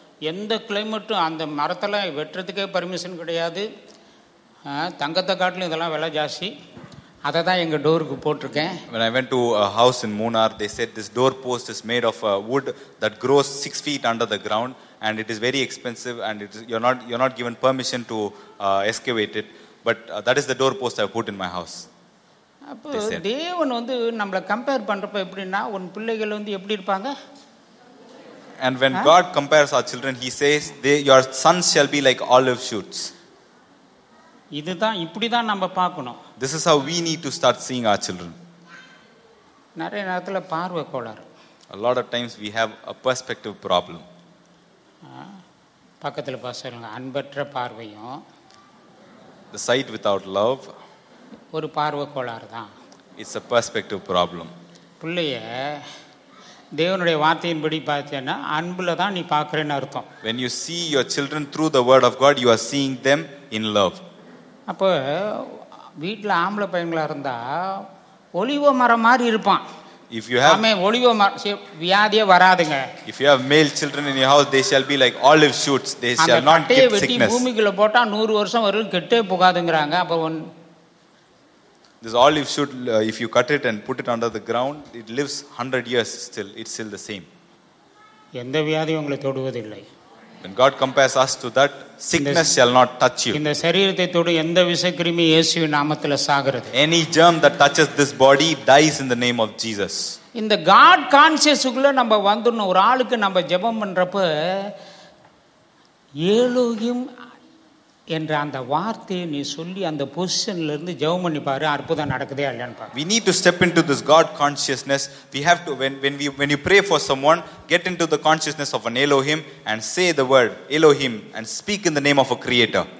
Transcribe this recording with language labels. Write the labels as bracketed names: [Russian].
[Tamil] எந்த கிளைமேட்டும் அந்த மரத்தில் வெட்டுறதுக்கே பர்மிஷன் கிடையாது. தங்கத்தை காட்டிலும் இதெல்லாம் விலை ஜாஸ்தி. அதை தான் எங்கள் டோருக்கு போட்டிருக்கேன். [English] When I went to a house in Munnar, they said this door post is made of wood that grows 6 feet under the ground. And it is very expensive and it is, you're not given permission to excavate it. But that is the door post I've put in my house. [Tamil] அப்போ தேவன் வந்து நம்மளை compare பண்ணுறப்ப எப்படின்னா உன் பிள்ளைகள் வந்து எப்படி இருப்பாங்க? [English] And when God compares our children, he says, your sons shall be like olive shoots. [Tamil] இதுதான் இப்படி தான் நம்ம பார்க்கணும். [English] This is how we need to start seeing our children. [Tamil] நிறைய நேரத்தில் பார்வை கோளாறு. [English] A lot of times we have a perspective problem. [Tamil] பக்கத்தில் பாசங்க அன்பற்ற பார்வையும் [English] the sight without love [Tamil] ஒரு பார்வை கோளாறு தான். [English] It's a perspective problem. [Tamil] பிள்ளைய தேவனுடைய வார்த்தையின்படி பார்த்தேன்னா அன்புல தான் நீ பார்க்கறேன்னு அர்த்தம். [English] When you see your children through the word of God, you are seeing them in love. [Tamil] அப்போ வீட்டில் ஆம்பளை பையங்களா இருந்தா ஒலிவ மரம் மாதிரி இருப்பான். [English] If you have [Tamil] olive vyadhiye varadunga, [English] if you have male children in your house, they shall be like olive shoots. They shall not get sickness. [Tamil] அந்த பட்டை பூமிக்குள்ள போட்டா 100 வருஷம் வரல கெட்டு போகாதுங்கறாங்க. அப்ப [English] this olive shoot, if you cut it and put it under the ground, it lives 100 years still. It's still the same. [Tamil] எந்த வியாதியும் உங்களை தொடுவதில்லை. [English] When God compares us to that, sickness shall not touch you. [Tamil] இந்த சரீரத்தை தொடு எந்த விஷக்கிருமி இயேசுவின் நாமத்தில் சாகிறது. [English] Any germ that touches this body dies in the name of Jesus. [Tamil] இந்த God consciousness-க்குள்ள நம்ம வந்துறோம். ஒரு ஆளுக்கு நம்ம ஜெபம் பண்றப்ப ஏலோகியம் என்ற அந்த வார்த்தையை நீ சொல்லி அந்த பொசிஷன்ல இருந்து ஜெபம் பண்ணி பாரு, அற்புதம் நடக்குதே இல்லையான்னு பாரு. [English] We need to step into this God consciousness. We have to, when you pray for someone, get into the consciousness of an Elohim and say the word Elohim and speak in the name of a creator.